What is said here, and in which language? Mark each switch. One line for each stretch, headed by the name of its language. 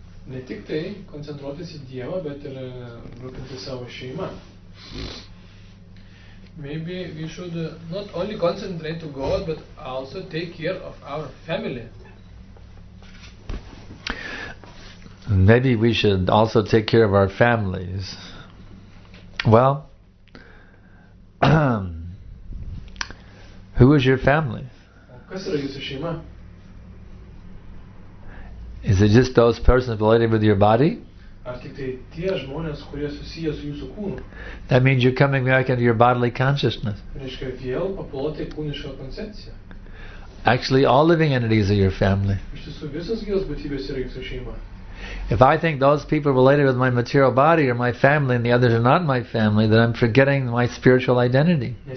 Lithuanian: Ne tik tai koncentruotis į Dievą, bet ir rūpinti savo šeimą.
English: Maybe we should not only concentrate to God, but also take care of our family. Maybe we should also take care of our families. Well, who is your family?
Lithuanian: Kas yra jūsų šeima?
English: Is it just those persons related with your body?
Lithuanian: Ar tik tai tie žmonės, kurie susiję su jūsų kūnu?
English: That means you're coming back into your bodily consciousness.
Lithuanian: Reiškia, vėl papuolate į kūnišką koncepciją.
English: Actually, all living entities are your family.
Lithuanian: Iš tiesų, visos gyvos būtybės yra jūsų šeima.
English: If I think those people related with my material body are my family and the others are not my family, then I'm forgetting my spiritual identity.